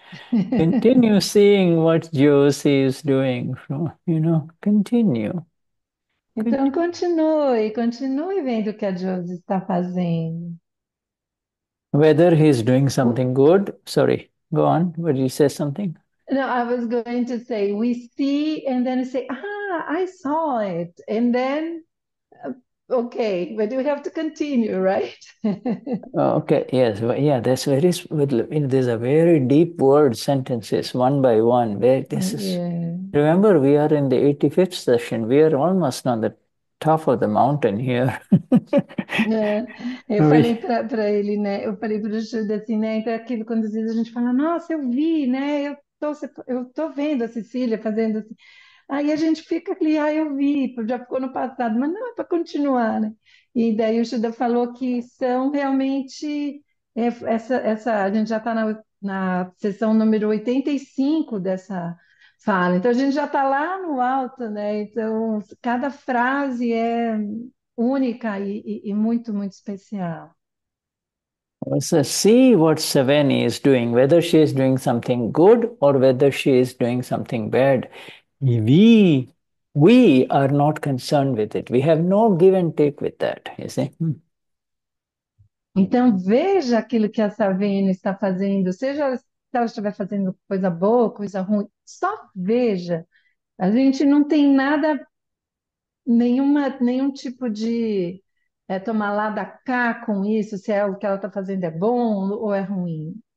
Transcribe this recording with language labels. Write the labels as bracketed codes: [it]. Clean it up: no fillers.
[en] Continue seeing what Josie is doing from, continue. [pt] Então continue vendo o que a Josi está fazendo. [en] Whether he's doing something good, sorry, go on, would you say something? No, I was going to say, we see, and then say, I saw it. And then, okay, but we have to continue, right? Okay, yes, yeah, that's very, these are very deep word sentences, one by one. Where this is, remember, we are in the 85th session, we are almost on the top of the mountain here. [pt] Eu falei para ele, né? Eu falei para o Judas assim, né? Então, aquilo, quando às vezes a gente fala, nossa, eu vi, né? Eu tô vendo a Cecília fazendo assim. Aí a gente fica ali, ah, eu vi, já ficou no passado, mas não é para continuar, né? E daí o Judas falou que são realmente essa a gente já está na sessão número 85 dessa fala. Então a gente já está lá no alto, né? Então cada frase é única e muito, muito especial. [en] See what Saveni is doing, whether she is doing something good or whether she is doing something bad. We are not concerned with it. We have no give and take with that, you see. [pt] Então, veja aquilo que a Savino está fazendo, seja se ela estiver fazendo coisa boa, coisa ruim, só veja. A gente não tem nada nenhum tipo de tomar lá da cá com isso, se é o que ela está fazendo é bom ou é ruim.